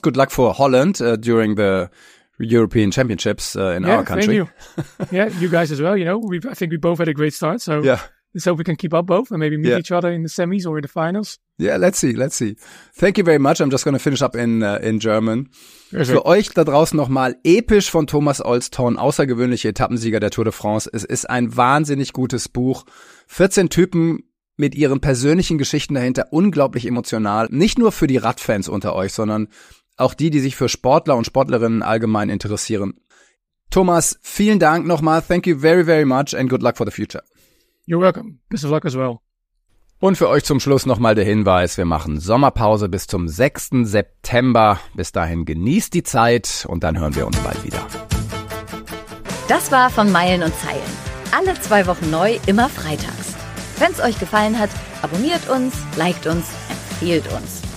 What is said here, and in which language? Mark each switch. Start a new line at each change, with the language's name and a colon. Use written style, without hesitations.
English: Good luck for Holland during the European Championships in our country. Thank you. Yeah, you guys as well. You know, I think we both had a great start. So yeah. Let's hope we can keep up both and maybe meet each other in the semis or in the finals. Yeah, let's see. Thank you very much. I'm just going to finish up in German. Perfect.
German: Für euch da draußen nochmal episch von Thomas Olsthorn, außergewöhnliche Etappensieger der Tour de France. Es ist ein wahnsinnig gutes Buch. 14 Typen mit ihren persönlichen Geschichten dahinter, unglaublich emotional. Nicht nur für die Radfans unter euch, sondern auch die, die sich für Sportler und Sportlerinnen allgemein interessieren. Thomas, vielen Dank nochmal.
English: Thank you very, very much and good luck for the future. You're welcome. Best of luck as well.
German: Und für euch zum Schluss nochmal der Hinweis, wir machen Sommerpause bis zum 6. September. Bis dahin genießt die Zeit und dann hören wir uns bald wieder. Das war von Meilen und Zeilen. Alle zwei Wochen neu, immer freitags. Wenn es euch gefallen hat, abonniert uns, liked uns, empfehlt uns.